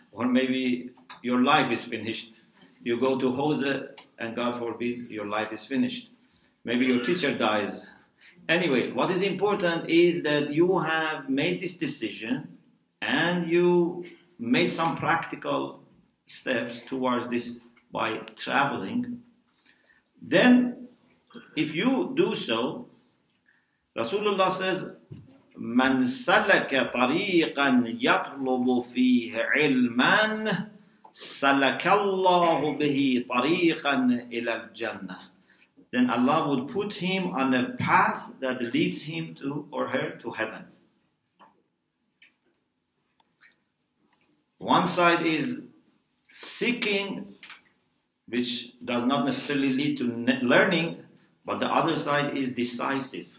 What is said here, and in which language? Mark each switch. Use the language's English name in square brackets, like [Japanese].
[English] Or maybe your life is finished. You go to Hoza and God forbid your life is finished. Maybe your teacher dies. Anyway, what is important is that you have made this decision and you made some practical steps towards this by traveling. Then if you do so, Rasulullah says, [Arabic] من سلك طريقا يطلب فيه علما سلك الله به طريقا إلى الجنة. [English] Then Allah would put him on a path that leads him to or her to heaven. One side is seeking which does not necessarily lead to learning, but the other side is decisive.